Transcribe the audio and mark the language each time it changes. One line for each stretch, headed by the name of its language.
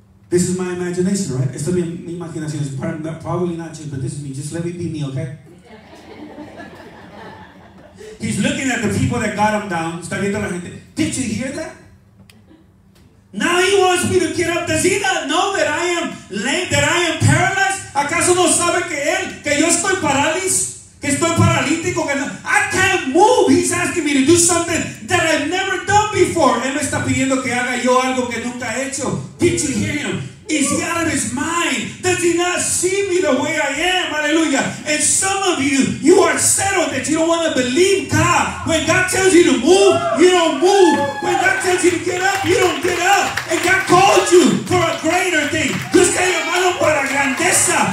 English: This is my imagination, right?
Spanish: Esto es mi imaginación.
English: It's probably not you, but this is me. Just let me be me, okay? He's looking at the people that got him down.
Spanish: Está viendo la gente.
English: Did you hear that? Now he wants me to get up. Does he not know that I am lame? That I am paralyzed?
Spanish: ¿Acaso no sabe que él, que yo estoy paralizado? Que estoy paralítico? Que no,
English: I can't move. He's asking me to do something that I've never done before.
Spanish: Él me está pidiendo que haga yo algo que nunca he hecho.
English: Did you hear him? Is he out of his mind? Does he not see me the way I am? Hallelujah. And some of you, you are settled that you don't want to believe God. When God tells you to move, you don't move. When God tells you to get up, you don't get up. And God called you for a greater thing.
Spanish: Yo estoy llamado para grandeza.